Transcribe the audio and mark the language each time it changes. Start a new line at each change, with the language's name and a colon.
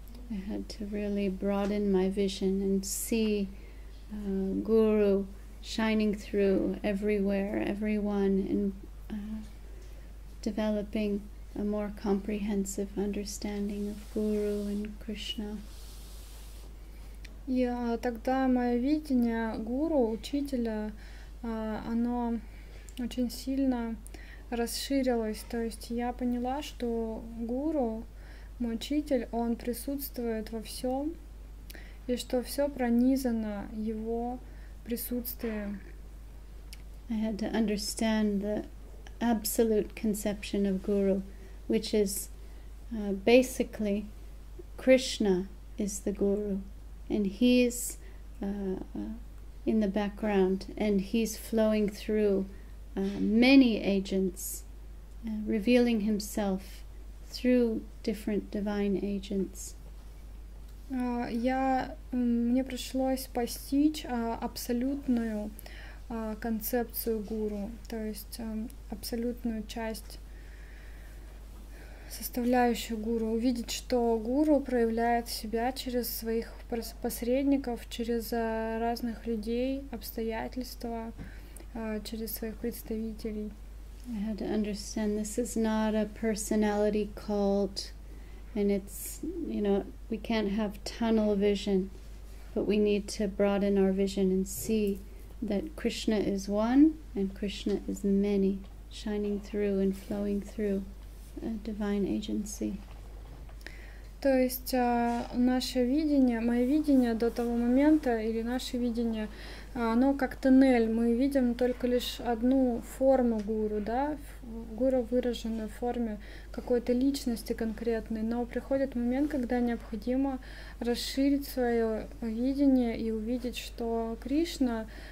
English: I had to really broaden my vision and see Guru shining through everywhere, everyone, and developing a more comprehensive understanding of Guru and Krishna.
Russian: И тогда мое видение гуру, учителя, оно очень сильно расширилось. То есть я поняла, что гуру, мой учитель, он присутствует во всем, и что все пронизано его присутствием.
English: I had to understand the absolute conception of guru, which is basically Krishna is the guru. And he's in the background, and he's flowing through many agents, revealing himself through different divine agents.
Russian: Мне пришлось постичь абсолютную концепцию гуру, то есть абсолютную часть, составляющую гуру, увидеть, что гуру проявляет себя через своих посредников, через разных людей, обстоятельства, через своих представителей.
English: I had to understand this is not a personality cult, and it's, you know, we can't have tunnel vision, but we need to broaden our vision and see that Krishna is one and Krishna is many, shining through and flowing through a divine agency.
Russian: То есть наше видение, мое видение до того момента, или наше видение, оно как тоннель. Мы видим только лишь одну форму гуру, да, гуру, выраженную в форме какой-то личности конкретной. Но приходит момент, когда необходимо расширить свое видение и увидеть, что Кришна